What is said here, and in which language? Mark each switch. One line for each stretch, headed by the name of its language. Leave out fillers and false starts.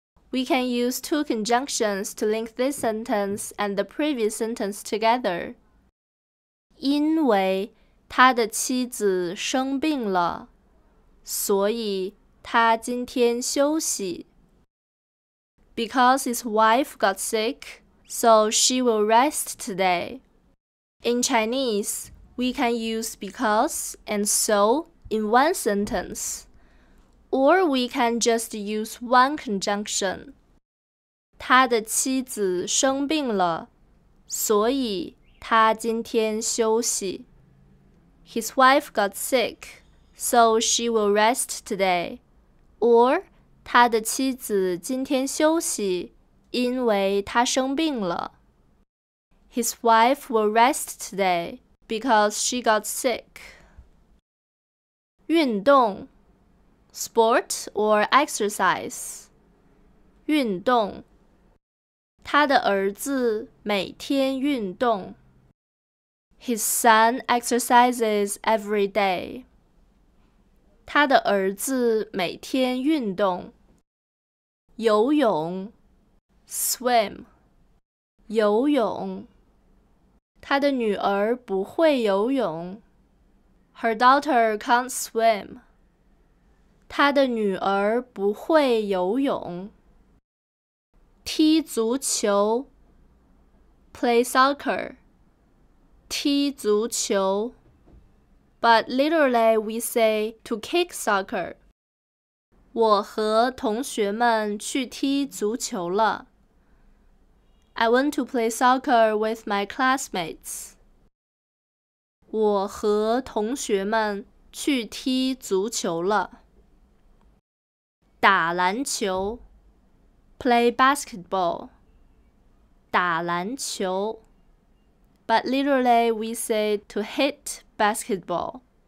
English: We can use two conjunctions to link this sentence and the previous sentence together.
Chinese: 因为他的妻子生病了，所以他今天休息。
English: Because his wife got sick, so she will rest today. In Chinese, we can use because and so in one sentence. Or we can just use one conjunction.
Chinese: 他的妻子生病了，所以他今天休息。
English: His wife got sick, so she will rest today. Or
Chinese: 他的妻子今天休息，因为他生病了。
English: His wife will rest today because she got sick.
Chinese: 运动
English: Sport or exercise.
Chinese: 运动他的儿子每天运动
English: His son exercises every day.
Chinese: 他的儿子每天运动游泳
English: Swim.
Chinese: 游泳他的女儿不会游泳
English: Her daughter can't swim.
Chinese: 她的女儿不会游泳。踢足球
English: Play soccer
Chinese: 踢足球
English: But literally we say to kick soccer.
Chinese: 我和同学们去踢足球了。
English: I went to play soccer with my classmates.
Chinese: 我和同学们去踢足球了。打篮球
English: Play basketball
Chinese: 打篮球
English: But literally we say to hit basketball